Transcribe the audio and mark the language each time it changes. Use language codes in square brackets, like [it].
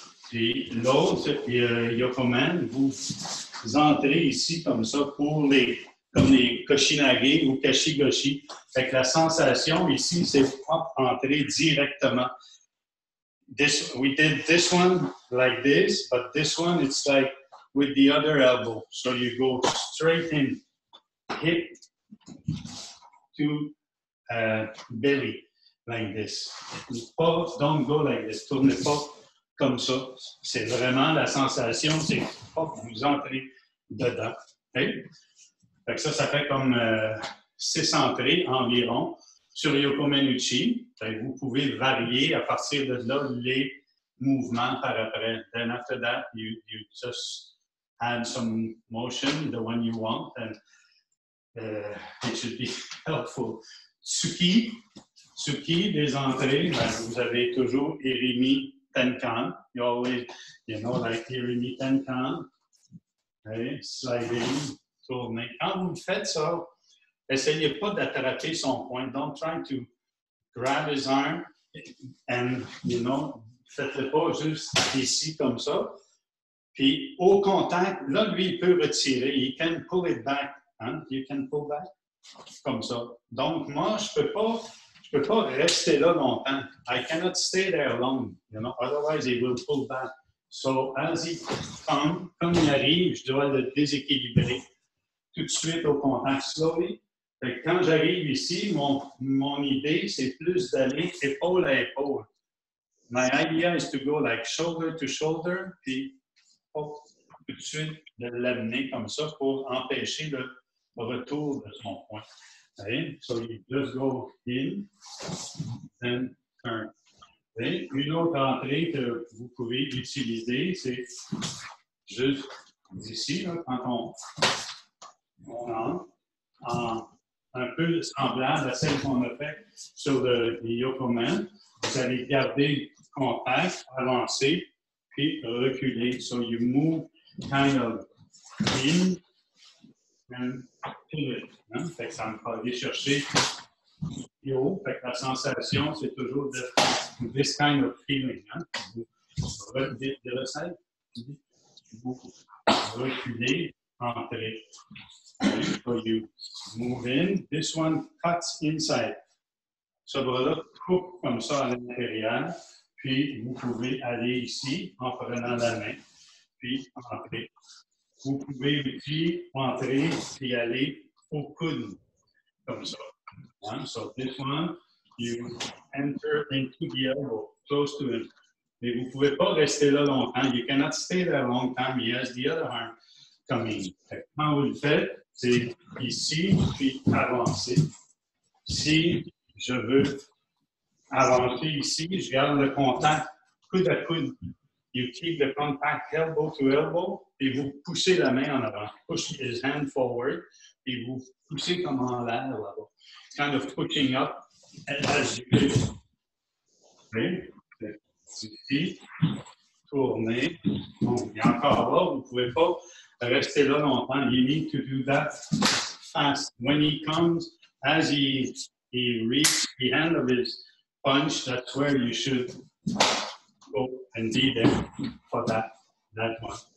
[fr] Puis l'autre, il y a comment, vous entrez ici comme ça pour les, comme les koshinage ou kashigoshi. Fait que la sensation ici, c'est hop, entrer directement. [en] This, we did this one like this, but this one, it's like with the other elbow. So you go straight in, hip to belly, like this. Don't go like this, [fr] tournez pas comme ça. C'est vraiment la sensation, c'est hop, vous entrez dedans. Okay? Fait que ça, ça fait comme 6 entrées environ. Sur Yokomen Uchi, vous pouvez varier à partir de là les mouvements par après. [en] Then after that, you just add some motion, the one you want, and it should be helpful. [fr] Tsuki, Tsuki des entrées, ben, vous avez toujours Irimi Tenkan. [en] You always, you know, like Irimi Tenkan. Okay? [fr] Sliding, tourner. Quand vous faites ça, essayez pas d'attraper son point. [en] Don't try to grab his arm and, you know, [fr] faites-le pas juste ici comme ça. Puis au contact, là, lui, il peut retirer. [en] He can pull it back. [fr] Hein? [en] You can pull back [fr] comme ça. Donc, moi, je peux pas rester là longtemps. [en] I cannot stay there long, you know, otherwise he will pull back. So, as he comes, [fr] comme il arrive, je dois le déséquilibrer tout de suite au contact, slowly. Quand j'arrive ici, mon idée, c'est plus d'aller épaule à épaule. [en] My idea is to go like shoulder to shoulder, [fr] puis hop, tout de suite de l'amener comme ça pour empêcher le retour de son point. Okay? [en] So you just go in and turn. Okay? [fr] Une autre entrée que vous pouvez utiliser, c'est juste ici, là, quand on entre. Un peu semblable à celle qu'on a fait sur le Yokomen. Vous allez garder contact, avancer, puis reculer. [en] So you move kind of in and pivot. [fr] Hein? Fait que ça me fait aller chercher plus haut. Fait que la sensation, c'est toujours de [en] this kind of feeling. [fr] Hein? De la salle, vous reculez, entrez. [en] So you move in. This one cuts inside. [fr] Ce bras-là coupe comme ça à l'intérieur. Puis vous pouvez aller ici en prenant la main. Puis entrer. Vous pouvez aussi entrer et aller au coude. Comme ça. Hein? [en] So this one, you enter into the elbow, close to him. [fr] Mais vous ne pouvez pas rester là longtemps. [en] You cannot stay there long time. He has the other arm coming. [fr] Quand vous le faites, c'est ici, puis avancer. Si je veux avancer ici, je garde le contact coude à coude. [en] You keep the contact elbow to elbow, [fr] et vous poussez la main en avant. [en] Push his hand forward, [fr] et vous poussez comme en l'air là-bas. [en] Kind of pushing up as you do. Okay. [fr] Ici, tournez. Bon, et encore là, vous ne pouvez pas restez là longtemps. [en] You need to do that fast. When he comes, as he reaches the end of his punch, that's where you should go and be there for that one.